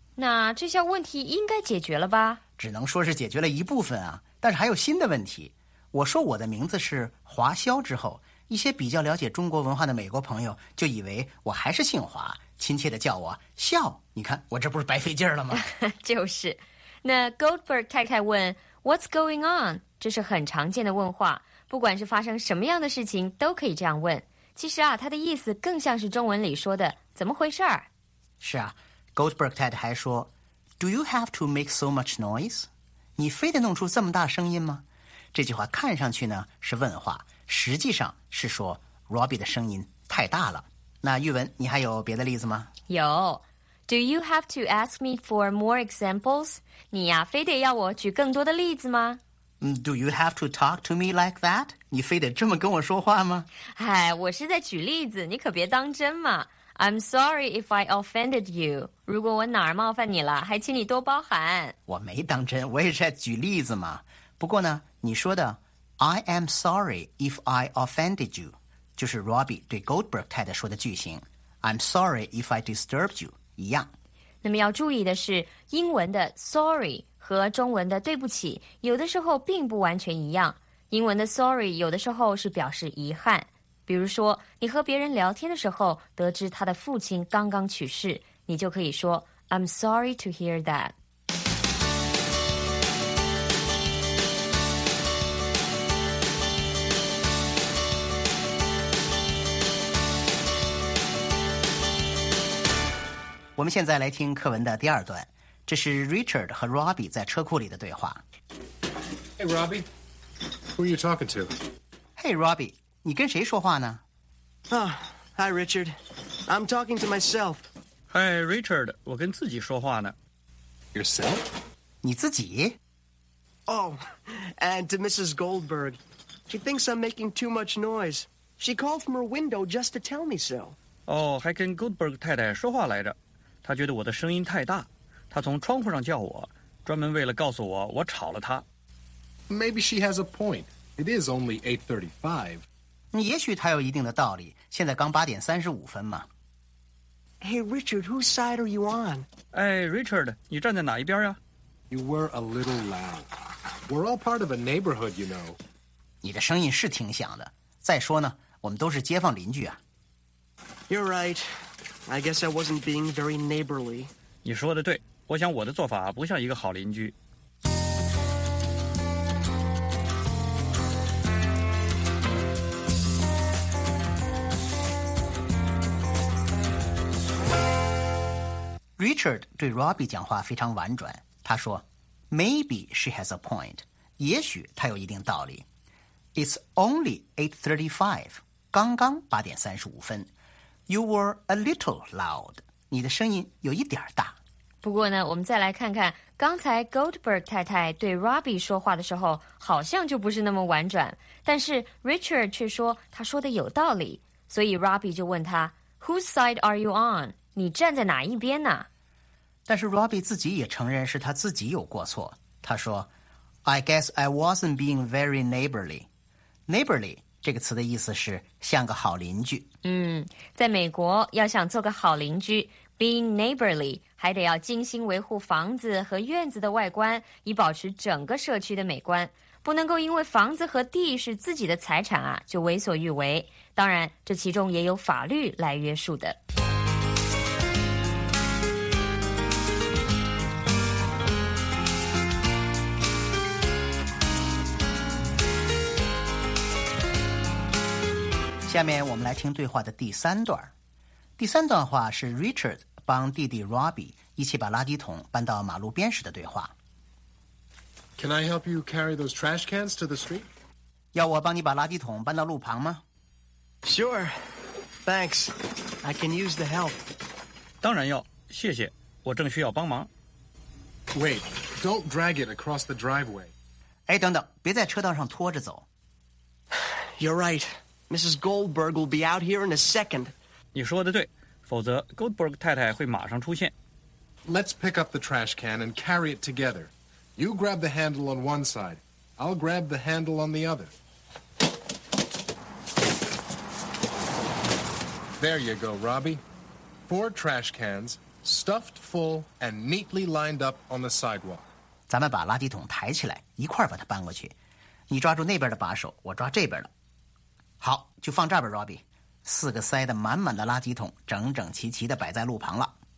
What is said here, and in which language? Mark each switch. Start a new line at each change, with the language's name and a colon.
Chinese: 那这项问题应该解决了吧？只能说是解决了一部分啊，但是还有新的问题。我说我的名字是华笑之后，一些比较了解中国文化的美国朋友就以为我还是姓华，亲切地叫我笑。你看我这不是白费劲了吗？就是。那 Goldberg 太太问
English: What's going on？
Chinese: 这是很常见的问话，不管是发生什么样的事情都可以这样问。其实啊，他的意思更像是中文里说的怎么回事儿。是啊，
English: Goldberg
Chinese: 太太还说
English: Do you have to make so much noise?
Chinese: 你非得弄出这么大声音吗？这句话看上去呢是问话，实际上是说 Robbie 的声音太大了。那玉文，你还有别的例子吗？有。
English: Do you have to ask me for more examples?
Chinese: 你呀，非得要我举更多的例子吗？
English: Do you have to talk to me like that?
Chinese: 你非得这么跟我说话吗？哎，我是在举例子，你可别当真嘛。
English: I'm sorry if I offended you.
Chinese: 如果我哪儿冒犯你了，还请你多包涵。我没当真，我也是在举例子嘛。不过呢，你说的
English: I am sorry if I offended you
Chinese: 就是 Robbie 对 Goldberg 太太说的句型。
English: I'm sorry if I disturbed you
Chinese: 一样。那么要注意的是，英文的 sorry和中文的对不起有的时候并不完全一样。英文的 sorry 有的时候是表示遗憾，比如说你和别人聊天的时候得知他的父亲刚刚去世，你就可以说
English: I'm sorry to hear that。
Chinese: 我们现在来听课文的第二段，这是 Richard 和 Robbie 在车库里的对话。
English: Hey Robbie, who are you talking to? Hey Robbie,
Chinese: 你跟谁说话呢？
English: 啊、Hi, Richard. I'm talking to myself. Hi, Richard.
Chinese: 我跟自己说话呢。
English: Yourself?
Chinese: 你自己？
English: Oh, and to Mrs. Goldberg. She thinks I'm making too much noise. She called from her window just to tell me so.
Chinese: 哦，还跟 Goldberg 太太说话来着。她觉得我的声音太大。她从窗户上叫我，专门为了告诉我我吵了她。
English: Maybe she has a point. It is only 8:35.
Chinese: 也许他有一定的道理，现在刚8:35嘛。
English: Hey, Richard, whose side are you on?
Chinese: Hey, Richard, 你站在哪一边啊？
English: You were a little loud. We're all part of a neighborhood, you know.
Chinese: 你的声音是挺响的。再说呢，我们都是街坊邻居啊。
English: You're right. I guess I wasn't being very neighborly.
Chinese: 你说的对，我想我的做法不像一个好邻居。 Richard 对 Robbie 讲话非常婉转，他说
English: Maybe she has a point，
Chinese: 也许她有一定道理。
English: It's only 8:35，
Chinese: 刚刚8:35。
English: You were a little loud，
Chinese: 你的声音有一点大。不过呢，我们再来看看刚才 Goldberg 太太对 Robbie 说话的时候好像就不是那么婉转，但是 Richard 却说他说的有道理，所以 Robbie 就问他
English: Whose side are you on？
Chinese: 你站在哪一边呢？但是 Robbie 自己也承认是他自己有过错。他说
English: I guess I wasn't being very neighborly.
Chinese: Neighborly 这个词的意思是像个好邻居。嗯，在美国要想做个好邻居， being neighborly 还得要精心维护房子和院子的外观，以保持整个社区的美观，不能够因为房子和地是自己的财产啊就为所欲为。当然这其中也有法律来约束的。下面我们来听对话的第三段。第三段话是 Richard 帮弟弟 Robbie 一起把垃圾桶搬到马路边时的对话。
English: Can I help you carry those trash cans to the street?
Chinese: 要我帮你把垃圾桶搬到路旁吗？
English: Sure. Thanks. I can use the help.
Chinese: 当然要，谢谢，我正需要帮忙。
English: Wait, don't drag it across the driveway.
Chinese: 哎，等等，别在车道上拖着走。
English: You're right. Mrs. Goldberg will be out here in a second.
Chinese: 你说的对，否则 Goldberg 太太会马上出现。
English: Let's pick up the trash can and carry it together. You grab the handle on one side. I'll grab the handle on the other. There you go, Robbie. 4 trash cans, stuffed full and neatly lined up on the sidewalk.
Chinese: 咱们把垃圾桶抬起来，一块把它搬过去。你抓住那边的把手，我抓这边的。好，就放这儿吧 ，Robbie。四个塞得满满的垃圾桶，整整齐齐地摆在路旁了。